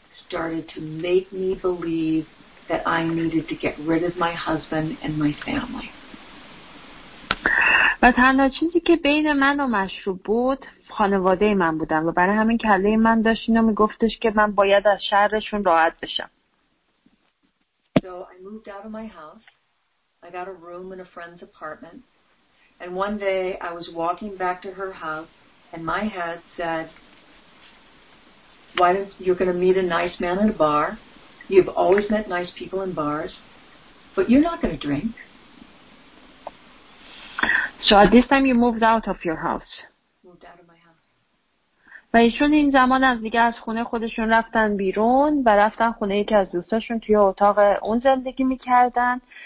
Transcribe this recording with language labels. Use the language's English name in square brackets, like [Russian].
[English] Started to make me believe that I needed to get rid of my husband and my family. [Persian] و تنها چیزی که بین من و مشروب بود خانواده من بودن و برای همین کله من داشت اینو میگفتش که من باید از شرشون راحت بشم. [English] So I moved out of my house. I got a room in a friend's apartment. And one day I was walking back to her house and my head said, you're going to meet a nice man in a bar. You've always met nice people in bars. But you're not going to drink. So at this time you moved out of your house. Moved out of my house. [Persian] و ایشون این زمان از دیگه از خونه خودشون رفتن بیرون و رفتن خونه یکی از دوستاشون توی اتاق اون زندگی میکردن.